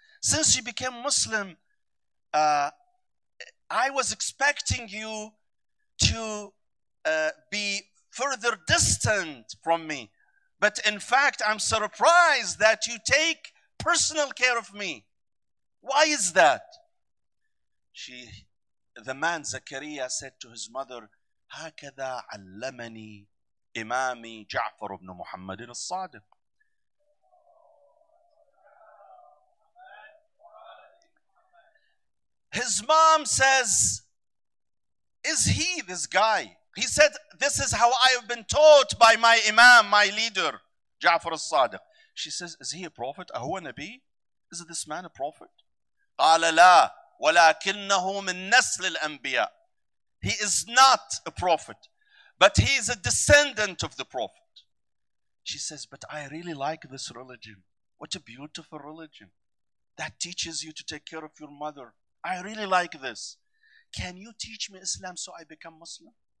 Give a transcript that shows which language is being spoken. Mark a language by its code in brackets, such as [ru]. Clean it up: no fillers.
[en] Since you became Muslim, I was expecting you to be further distant from me. But in fact, I'm surprised that you take personal care of me. Why is that? The man Zakaria said to his mother, [ar] هكذا علمني إمامي جعفر بن محمد الصادق. [en] His mom says, is he this guy? He said, this is how I have been taught by my imam, my leader, Ja'far al-Sadiq. She says, is he a prophet? [ar] أهو نبي? [en] Is this man a prophet? [ar] قال لا ولكنه من نسل الأنبياء. [en] He is not a prophet, but he is a descendant of the prophet. She says, but I really like this religion. What a beautiful religion that teaches you to take care of your mother. I really like this. Can you teach me Islam so I become Muslim?